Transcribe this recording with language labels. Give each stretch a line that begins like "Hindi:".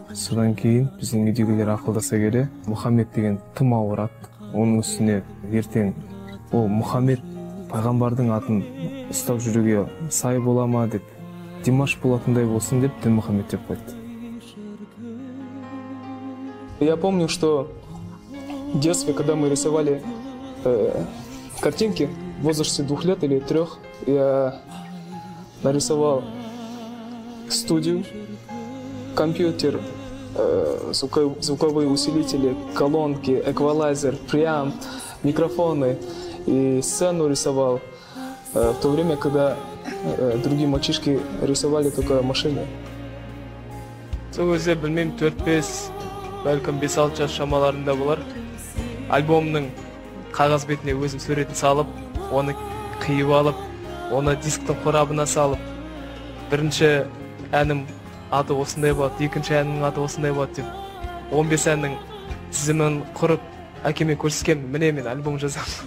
Kazakh: Содан кейін біздің үйдегілер ақылдаса келе, Мұхаммед деген тым ауыр ат, оның үстіне ертең ол Мұхаммед пайғамбардың атын ұстап жүруге сай бола ма деп, Димаш болатындай болсын деп Дінмұхаммед деп қойды.
Russian: Я помню, что в детстве, когда мы рисовали картинки, в возрасте 2 лет или 3, я нарисовал студию, компьютер, звуковые усилители, колонки, эквалайзер, преамп, микрофоны и сцену рисовал в то время, когда другие мальчишки рисовали только машины.
Kazakh: Сөзі білмейм, 4-5, бәлкім 5-6 жас шамаларында болар. Альбомның қағаз бетіне өзім суретін салып, оны қиып алып, оны дисктің қорабына салып, бірінші әнім аты осындай болады, екінші әнім аты осындай болады деп, 15 әннің тізімін құрып, әкеме көрсеткен, міне мен альбом жазам.